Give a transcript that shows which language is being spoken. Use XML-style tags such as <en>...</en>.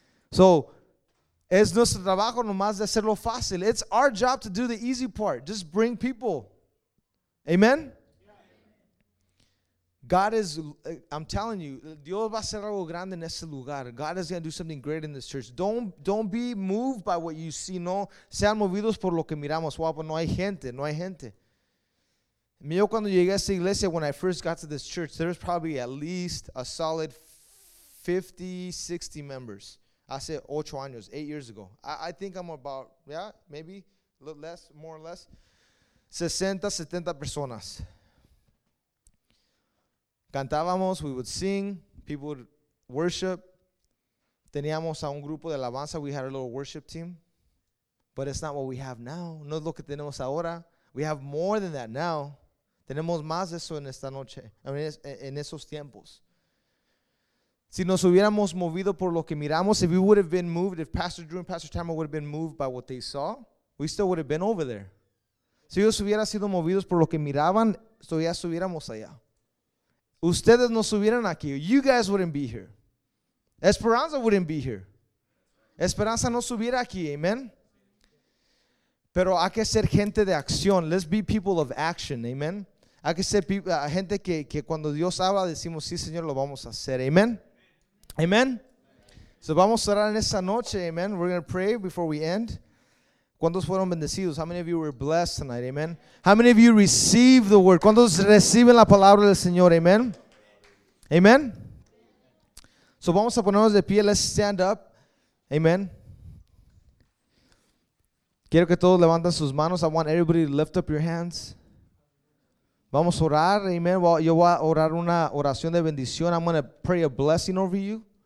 <es>So, es nuestro trabajo nomás de hacerlo fácil.</es> <en>It's our job to do the easy part. Just bring people. Amen. God is, I'm telling you,</en> <es>Dios va a hacer algo grande en este lugar.</es> <en>God is going to do something great in this church. Don't be moved by what you see.</en> <es>No sean movidos por lo que miramos.</es> <en>Wow, but</en> <es>no hay gente. Yo cuando llegué a esta iglesia,</es> <en>when I first got to this church, there was probably at least a solid 50, 60 members.</en> <es>Hace 8 años,</es> <en>8 years ago. I think I'm about, yeah, maybe a little less, more or less, 60, 70 personas. Cantábamos, we would sing, people would worship.</en> <es>Teníamos a un grupo de alabanza,</es> <en>we had a little worship team. But it's not what we have now.</en> <es>No es lo que tenemos ahora.</es> <en>We have more than that now.</en> <es>Tenemos más de eso en esta noche, en esos tiempos. Si nos hubiéramos movido por lo que miramos,</es> <en>if we would have been moved, if Pastor Drew and Pastor Tamara would have been moved by what they saw, we still would have been over there.</en> <es>Si ellos hubieran sido movidos por lo que miraban, todavía estuviéramos allá. Ustedes no subieran aquí.</es> <en>You guys wouldn't be here. Esperanza wouldn't be here.</en> <es>Esperanza no subiera aquí. Amen. Pero hay que ser gente de acción.</es> <en>Let's be people of action. Amen.</en> <es>Hay que ser gente que cuando Dios habla decimos, sí, Señor, lo vamos a hacer. Amen. Amen. So vamos a orar en esta noche. Amen.</es> <en>We're going to pray before we end.</en> <es>¿Cuántos fueron bendecidos?</es> <en>How many of you were blessed tonight? Amen. How many of you received the word?</en> <es>¿Cuántos reciben la palabra del Señor? Amen. Amen. So vamos a ponernos de pie.</es> <en>Let's stand up.</en> <es>Amen. Quiero que todos levanten sus manos.</es> <en>I want everybody to lift up your hands.</en> <es>Vamos a orar. Amen. Yo voy a orar una oración de bendición.</es> <en>I'm going to pray a blessing over you.</en>